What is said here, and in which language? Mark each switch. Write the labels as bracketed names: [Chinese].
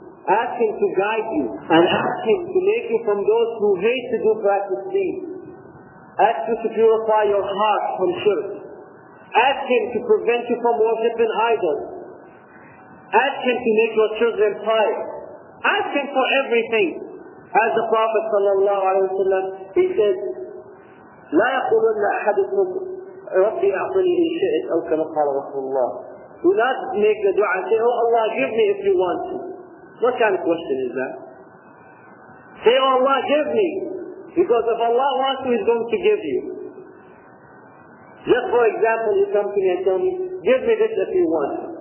[English] Ask Him to guide you and ask Him to make you from those who hate to do practice deeds. Ask Him to purify your heart from shirk. Ask Him to prevent you from worshipping idols. Ask Him to make your children pious. Ask Him for everything. As the Prophet sallallahu alaihi wasallam, he said, [Arabic] لا يقولن أحدكم ربي أعطني إن شئت أو كما قال رسول الله. [English] Do not make the dua and say, oh Allah, give me if you want to. What kind of question is that? Say, oh Allah, give me. Because if Allah wants you, He's going to give you. Just for example, you come to me and tell me, give me this if you want.